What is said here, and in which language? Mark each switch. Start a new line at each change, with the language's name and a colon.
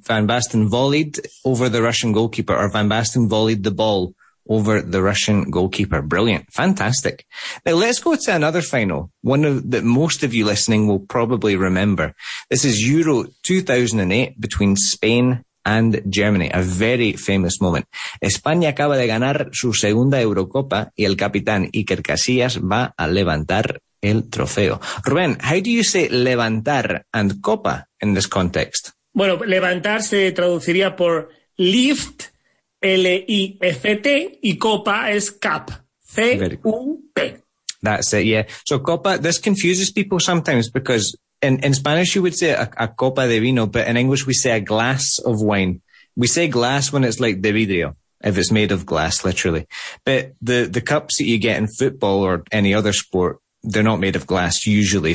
English: Van Basten volleyed over the Russian goalkeeper, or Van Basten volleyed the ball over the Russian goalkeeper. Brilliant, fantastic. Now let's go to another final, one of that most of you listening will probably remember. This is Euro 2008 between Spain and Germany, a very famous moment.
Spanish: España acaba de ganar su segunda Eurocopa y el capitán Iker Casillas va a levantar el trofeo.
English: Rubén, how do you say levantar and copa in this context?
Spanish: Bueno, levantar se traduciría por lift, L-I-F-T, y copa es cap, C-U-P.
English: That's it, yeah. So copa, this confuses people sometimes because in Spanish you would say a
Spanish: copa de vino,
English: but in English we say a glass of wine. We say glass when it's like
Spanish: de vidrio,
English: if it's made of glass, literally. But the cups that you get in football or any other sport, they're not made of glass usually.